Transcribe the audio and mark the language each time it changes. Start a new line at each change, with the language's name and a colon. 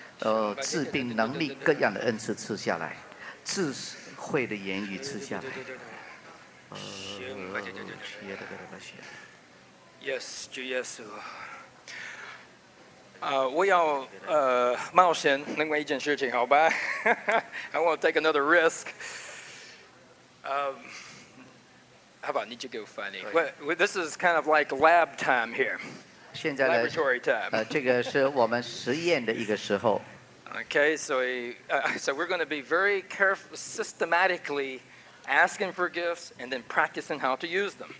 English: I won't take another risk. How about need to go funny? Well, this is kind of like lab time here.
Chinese: 现在呢,
English: laboratory time.
Chinese: 这个是我们实验的一个时候。
English: Okay, so we're going to be very careful, systematically asking for gifts and then practicing how to use them.